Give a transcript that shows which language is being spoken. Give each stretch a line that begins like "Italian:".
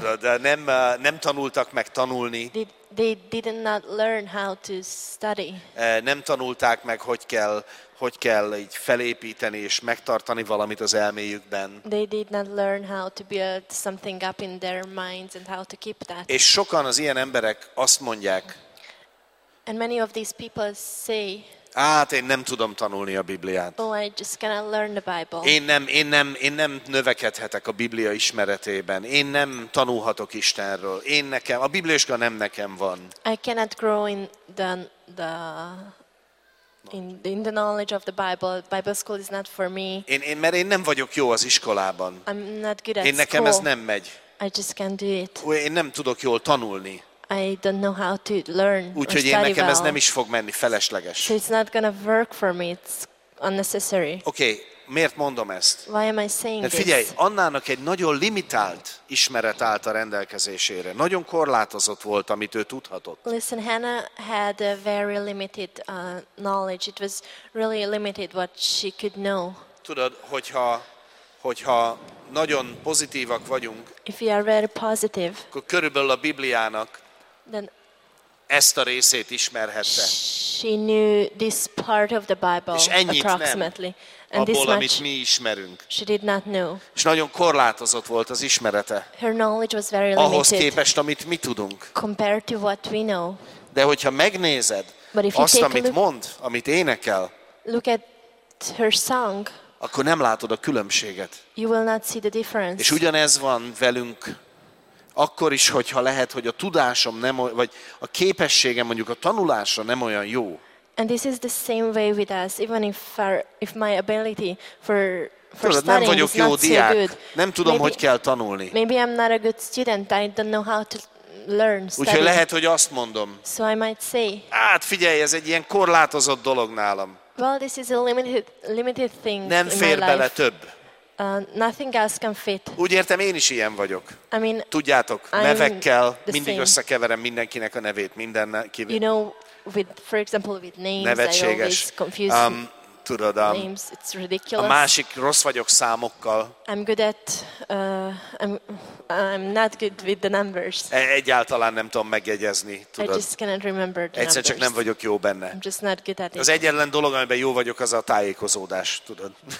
Hungarian: Tudod, nem tanultak meg tanulni.
English: They did not learn how to study.
Hungarian: Nem tanulták meg, hogy kell így felépíteni és megtartani valamit az elméjükben.
English: They did not learn how to build something up in their minds and how to keep that.
Hungarian: És sokan az ilyen emberek azt mondják.
English: And many of these people say.
Hungarian: Hát én nem tudom tanulni a Bibliát.
English: Oh, I just cannot learn the Bible.
Hungarian: Én nem növekedhetek a Biblia ismeretében. Én nem tanulhatok Istenről. Én nekem a Biblia iskola nem nekem van.
English: I cannot grow in the knowledge of the Bible. Bible school is not for me.
Hungarian: Én nem vagyok jó az iskolában.
English: I'm not good at school.
Hungarian: Én nekem ez nem megy.
English: I just can't do it.
Hungarian: Én nem tudok jól tanulni.
English: I don't know how to learn.
Hungarian: Úgyhogy én nekem ez nem is fog menni, felesleges.
English: So it's not gonna work for me. It's unnecessary.
Hungarian: Okay, miért mondom ezt?
English: Why am I saying this?
Hungarian: Figyelj, Annának egy nagyon limitált ismeret állt a rendelkezésére. Nagyon korlátozott volt, amit ő tudhatott.
English: Listen, Hannah had a very limited knowledge. It was really limited what she could know.
Hungarian: Tudod, hogyha nagyon pozitívak vagyunk,
English: if we are very positive,
Hungarian: akkor körülbelül a Bibliának
English: then
Hungarian: ezt a részét ismerhette.
English: She knew this part of the Bible,
Hungarian: és ennyit
English: approximately.
Hungarian: Nem, and abból, amit mi ismerünk.
English: She did not know.
Hungarian: És nagyon korlátozott volt az ismerete.
English: Her knowledge was very limited.
Hungarian: Ahhoz képest, amit mi tudunk.
English: Compared to what we know.
Hungarian: De hogyha megnézed azt, amit mond, amit énekel,
English: look at her song,
Hungarian: akkor nem látod a különbséget.
English: You will not see the difference.
Hungarian: És ugyanez van velünk akkor is, hogyha lehet, hogy a tudásom nem, vagy a képességem mondjuk a tanulásra nem olyan jó.
English: And this is the same way with us, even if my ability for studying
Hungarian: nem vagyok jó diák, nem tudom, hogy kell tanulni.
English: Maybe I'm not a good student, I don't know how to learn.
Hungarian: Úgyhogy lehet, hogy azt mondom.
English: So I might say.
Hungarian: Hát figyelj, ez egy ilyen korlátozott dolog nálam.
English: Well, this is a limited thing.
Hungarian: Nem fér bele több.
English: Nothing else can fit.
Hungarian: Úgy értem, én is ilyen vagyok.
English: I mean,
Hungarian: tudjátok, nevekkel mindig összekeverem mindenkinek a nevét, mindenki.
English: You know, with, for example, with names,
Hungarian: nevetséges.
English: I always confuse
Hungarian: tudod,
English: names. It's ridiculous.
Hungarian: A másik, rossz vagyok számokkal.
English: I'm good at, I'm not good with the numbers.
Hungarian: Egyáltalán nem tudom megjegyezni, tudod.
English: I just cannot remember the
Hungarian: egyszer
English: numbers.
Hungarian: Csak nem vagyok jó benne.
English: I'm just not good at it.
Hungarian: Az egyetlen dolog, amiben jó vagyok, az a tájékozódás, tudod.